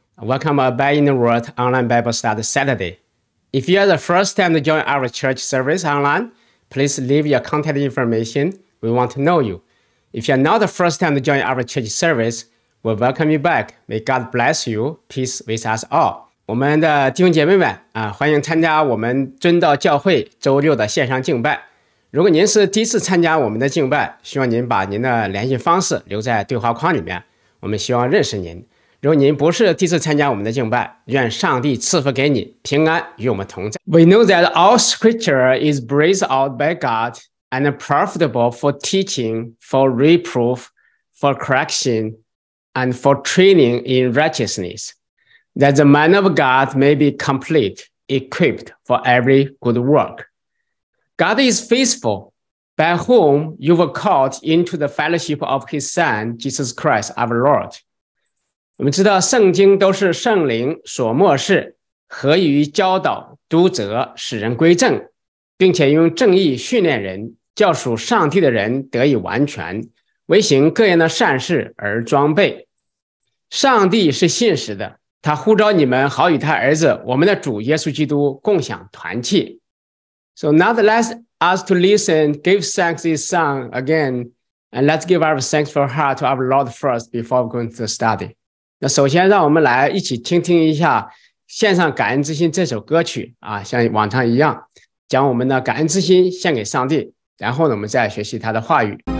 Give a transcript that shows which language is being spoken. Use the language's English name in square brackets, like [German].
[English] Welcome to Abide in the World Online Bible Study Saturday. If you are the first time to join our church service online, please leave your contact information. We want to know you. If you are not the first time to join our church service, we welcome you back. May God bless you. Peace with us all. [Chinese] 我们的弟兄姐妹们，欢迎参加我们真道教会周六的线上敬拜。如果您是第一次参加我们的敬拜，希望您把您的联系方式留在对话框里面。我们希望认识您。如果您不是第一次参加我们的敬拜，愿上帝赐福给你，平安与我们同在。 [English] We know that all scripture is breathed out by God and profitable for teaching, for reproof, for correction, and for training in righteousness, that the man of God may be complete, equipped for every good work. God is faithful. By whom you were called into the fellowship of his Son, Jesus Christ, our Lord. [Chinese] 我们知道圣经都是圣灵所默示，合于教导、督责、使人归正，并且用正义训练人，教属上帝的人得以完全，为行各样的善事而装备。上帝是信实的，他呼召你们好与他儿子，我们的主耶稣基督共享团契。 [English] So not less us to listen, give thanks this song again, and let's give our thanks for heart to our Lord first before going to the study. [Chinese] 那首先让我们来一起倾听一下献上感恩之心这首歌曲啊，像往常一样，将我们的感恩之心献给上帝，然后呢，我们再学习他的话语。